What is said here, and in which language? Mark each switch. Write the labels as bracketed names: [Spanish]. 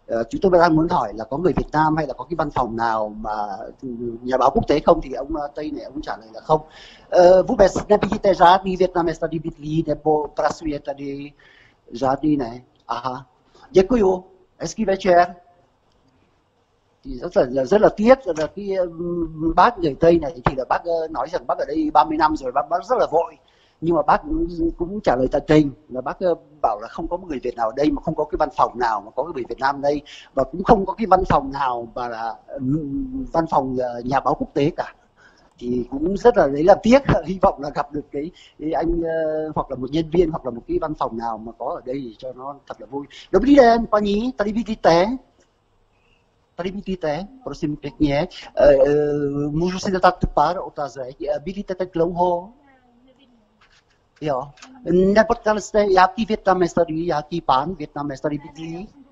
[Vietnamese] Chúng tôi đang muốn hỏi là có người Việt Nam hay là có cái văn phòng nào mà nhà báo quốc tế không, thì ông Tây này ông trả lời là không. [Czech] Vůbec nevidíte žádný Vietnamec tady bydlí nebo pracuje tady, žádný ne. Aha, děkuju, hezký večer. [Vietnamese] Thì rất là tiếc là cái bác người Tây này, thì là bác nói rằng bác ở đây 30 năm rồi, bác rất là vội, nhưng mà bác cũng trả lời tận tình là bác bảo là không có một người Việt nào ở đây, mà không có cái văn phòng nào mà có người Việt Nam ở đây, và cũng không có cái văn phòng nào mà là văn phòng nhà báo quốc tế cả. Thì cũng rất là đấy là tiếc, hy vọng là gặp được cái anh hoặc là một nhân viên hoặc là một cái văn phòng nào mà có ở đây thì cho nó thật là vui. [Czech] Dobrý den, paní, tady vidíte. Tady bydlíte, prosím pěkně. Můžu si dát pár otázek. Bydlíte tak dlouho? Jo. Nepotkal jste, jaký Vietnamec tady, jaký pán Vietnamec tady bydlí?